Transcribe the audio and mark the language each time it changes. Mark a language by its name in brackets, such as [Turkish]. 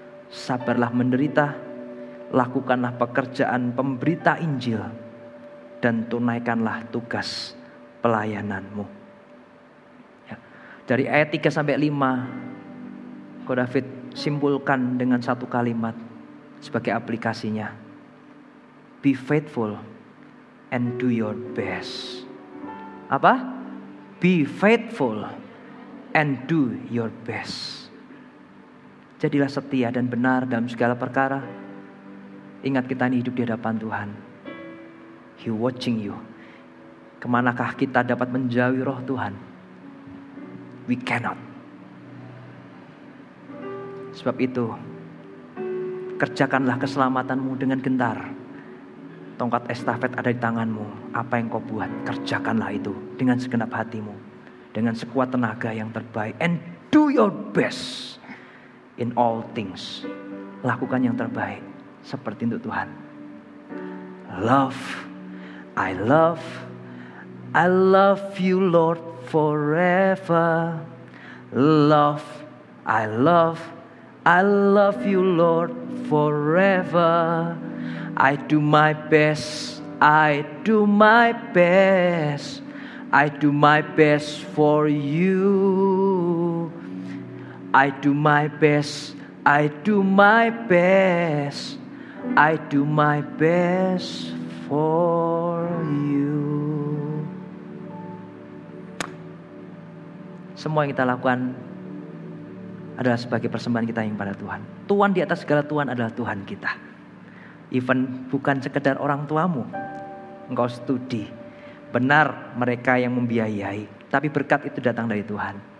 [Indonesian] Sabarlah menderita, lakukanlah pekerjaan pemberita Injil, dan tunaikanlah tugas pelayananmu. Dari ayat 3-5, Ko David simpulkan dengan satu kalimat sebagai aplikasinya. [English] Be faithful and do your best. [Indonesian] Apa? [English] Be faithful and do your best. [Indonesian] Jadilah setia dan benar dalam segala perkara. Ingat, kita ini hidup di hadapan Tuhan. [English] He watching you. [Indonesian] Kemanakah kita dapat menjauhi roh Tuhan? [English] We cannot. [Indonesian] Sebab itu, kerjakanlah keselamatanmu dengan gentar. Tongkat estafet ada di tanganmu. Apa yang kau buat, kerjakanlah itu dengan segenap hatimu, dengan sekuat tenaga yang terbaik. [English] And do your best in all things. [Indonesian] Lakukan yang terbaik seperti untuk Tuhan. [English] Love, I love, I love you Lord forever. Love, I love, I love you Lord forever. I do my best, I do my best, I do my best for you. I do my best, I do my best, I do my best for you. [Indonesian] Semua yang kita lakukan adalah sebagai persembahan kita yang pada Tuhan. Tuhan di atas segala Tuhan adalah Tuhan kita. Even bukan sekedar orang tuamu. Engkau studi. Benar mereka yang membiayai. Tapi berkat itu datang dari Tuhan.